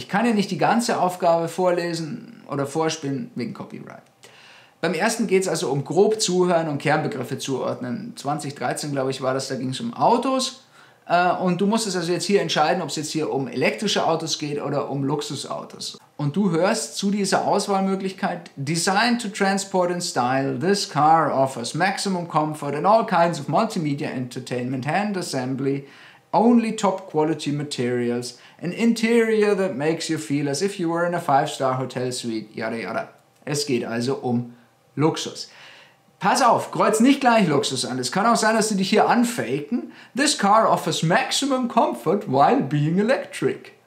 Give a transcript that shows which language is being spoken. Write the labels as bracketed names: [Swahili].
[German] Ich kann dir nicht die ganze Aufgabe vorlesen oder vorspielen wegen Copyright. Beim ersten geht es also um grob zuhören und Kernbegriffe zuordnen. 2013, glaube ich, war das, da ging es um Autos. Und du musstest also jetzt hier entscheiden, ob es jetzt hier um elektrische Autos geht oder um Luxusautos. Und du hörst zu dieser Auswahlmöglichkeit, [English] Designed to transport in style, this car offers maximum comfort and all kinds of multimedia entertainment, hand assembly, only top quality materials, an interior that makes you feel as if you were in a 5-star hotel suite, yada yada. [German] Es geht also um Luxus. Pass auf, kreuz nicht gleich Luxus an. Es kann auch sein, dass sie dich hier anfaken. [English] This car offers maximum comfort while being electric.